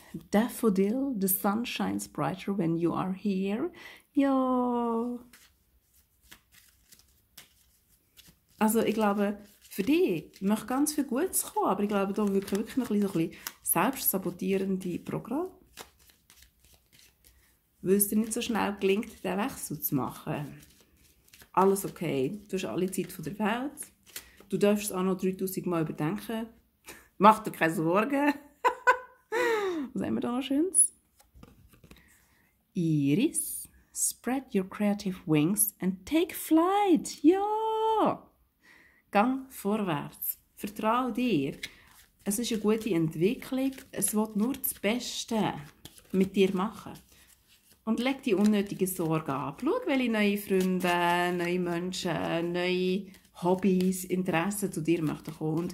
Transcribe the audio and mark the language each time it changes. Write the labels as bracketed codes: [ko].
[en] Daffodil, the sun shines brighter when you are here. [de] Ja. Also ich glaube, für dich möchte ganz viel Gutes kommen, aber ich glaube, da wirklich noch ein bisschen selbstsabotierende Programm. Weil es dir nicht so schnell gelingt, den Wechsel zu machen. Alles okay. Du hast alle Zeit der Welt. Du darfst es auch noch 3000 Mal überdenken. Mach dir keine Sorgen. Was haben wir da noch Schönes? [en] Iris, spread your creative wings and take flight. [de] Ja! Gang vorwärts. Vertrau dir. Es ist eine gute Entwicklung. Es will nur das Beste mit dir machen. Und leg die unnötigen Sorgen ab. Schau, welche neue Freunde, neue Menschen, neue Hobbys, Interessen zu dir möchten kommen.